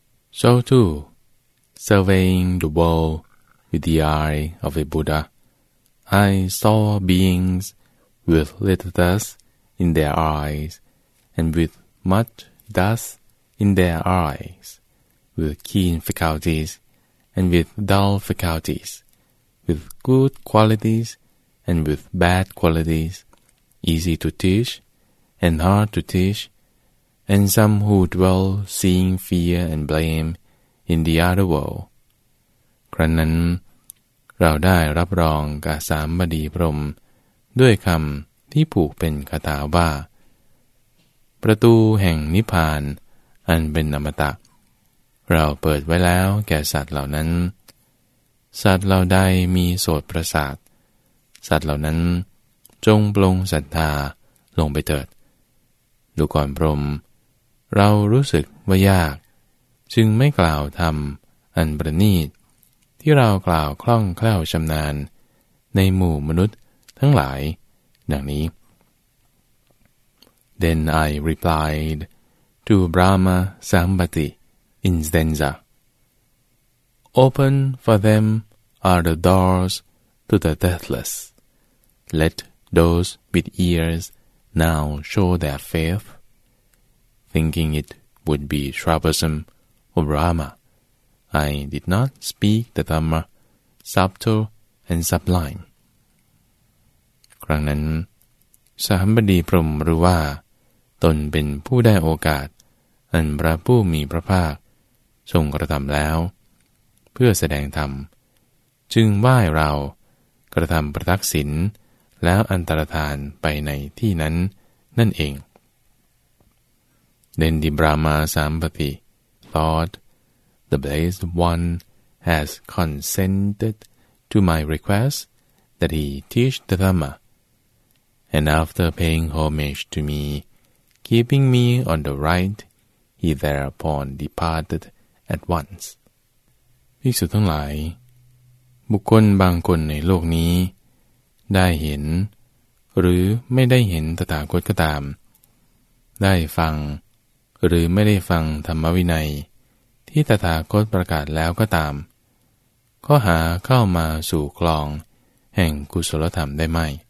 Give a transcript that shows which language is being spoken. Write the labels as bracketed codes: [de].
[en] So too, surveying the world with the eye of a Buddha, I saw beings with little dust in their eyes and with much dust in their eyes, with keen faculties and with dull faculties, with good qualities and with bad qualities, easy to teach and hard to teach, and some who dwell seeing fear and blame in the other world. [th] ครั้นนั้นเราได้รับรองกสามบดีพรหมด้วยคำที่ผูกเป็นคาถาว่าประตูแห่งนิพพานอันเป็นอมตะเราเปิดไว้แล้วแก่สัตว์เหล่านั้น สัตว์เหล่าใดมีโสตประสาทสัตว์เหล่านั้นจงปลงศรัทธาลงไปเถิดดูก่อนพรหมเรารู้สึกว่ายากจึงไม่กล่าวธรรมอันประณีตที่เรากล่าวคล่องแคล่วชำนาญในหมู่มนุษย์ทั้งหลายดังนี้ [en] Then I replied to Brahma Sambhati in Stanza. Open for them are the doors to the deathless. Let those with ears now show their faith. Thinking it would be troublesome, O Brahma, I did not speak the Dhamma, subtle and sublime. [th] ครั้งนั้นสหัมบดีพรหมรู้ว่าตนเป็นผู้ได้โอกาสอันพระผู้มีพระภาคทรงกระทำแล้วเพื่อแสดงธรรม จึงไหว้เรากระทำประทักษิณแล้วอันตรธานไปในที่นั้นนั่นเอง [en] Then the Brahma Sambhati thought, the Blessed One has consented to my request that he teach the Dhamma. And after paying homage to me, keeping me on the right, he thereupon departed at once. [th] ภิกษุทั้งหลายบุคคลบางคนในโลกนี้ได้เห็นหรือไม่ได้เห็นตถาคตก็ตามได้ฟังหรือไม่ได้ฟังธรรมวินัยที่ตถาคตประกาศแล้วก็ตามก็หาเข้ามาสู่คลองแห่งกุศลธรรมได้ไม่